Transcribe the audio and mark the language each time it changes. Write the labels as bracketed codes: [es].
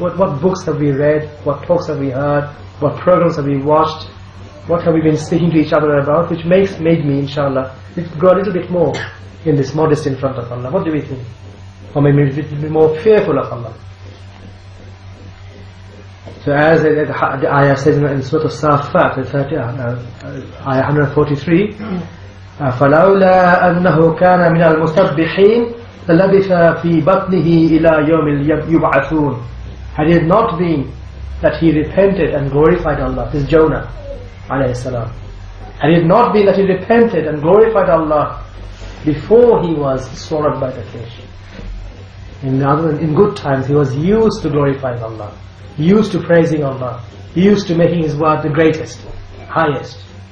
[en] What books have we read? What talks have we heard? What programs have we watched? What have we been speaking to each other about? Which made me, inshallah, grow a little bit more in this modest in front of Allah. What do we think? Or maybe a little bit more fearful of Allah. So as the ayah says in Surah As-Saffat, ayah 143, [ar] فَلَوْلَا أَنَّهُ كَانَ مِنَ الْمُسَبِّحِينَ لَلَبِثَ فِي بَطْنِهِ إِلَى يَوْمِ الْيُبْعَثُونَ. [en] Had it not been that he repented and glorified Allah, this is Jonah, alayhi salam. Had it not been that he repented and glorified Allah before he was swallowed by the fish. In good times, he was used to glorifying Allah, used to praising Allah, used to making his word the greatest, highest.